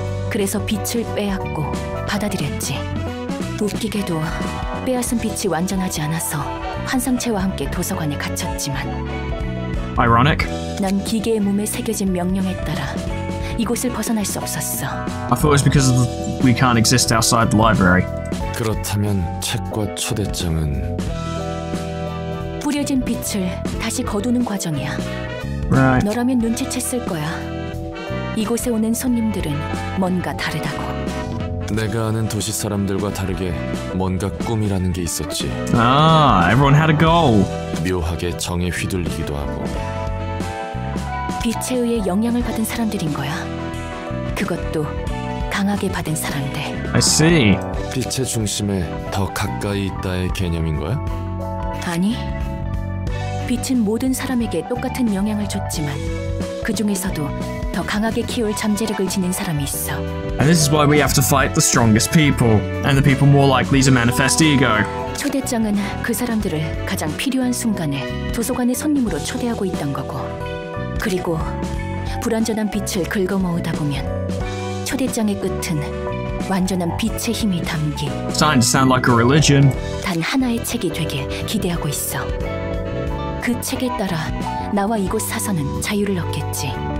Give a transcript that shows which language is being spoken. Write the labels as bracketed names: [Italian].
[Korean] 그래서 빛을 빼앗고 받아들였지. 웃기게도 빼앗은 빛이 완전하지 않아서 환상체와 함께 도서관에 갇혔지만. [English] Ironic. [Korean] 난 기계의 몸에 새겨진 명령에 따라 이곳을 벗어날 수 없었어. [English] I thought it was because of we can't exist outside the library. [Korean] 그렇다면 책과 초대장은 뿌려진 빛을 다시 거두는 과정이야. Right. 너라면 눈치챘을 거야. 이곳에 오는 손님들은 뭔가 다르다고. 내가 아는 도시 사람들과 다르게 뭔가 꿈이라는 게 있었지. [English] 아, everyone had a goal. [Korean] 묘하게 정에 휘둘리기도 하고. 빛에 의해 영향을 받은 사람들인 거야. 그것도 강하게 받은 사람들. [English] I see. [Korean] 빛의 중심에 더 가까이 있다의 개념인 거야? 아니. 빛은 모든 사람에게 똑같은 영향을 줬지만 그 중에서도 더 강하게 키울 잠재력을 지닌 사람이 있어. [English] And this is why we have to fight the strongest people and the people more likely to manifest ego. [Korean] 초대장은 그 사람들을 가장 필요한 순간에 도서관의 손님으로 초대하고 있던 거고. 그리고 불완전한 빛을 긁어모으다 보면 초대장의 끝은 완전한 빛의 힘이 담긴. [English] Starting to sound like a religion. [Korean] 단 하나의 책이 되길 기대하고 있어. 그 책에 따라 나와 이곳 사서는 자유를 얻겠지.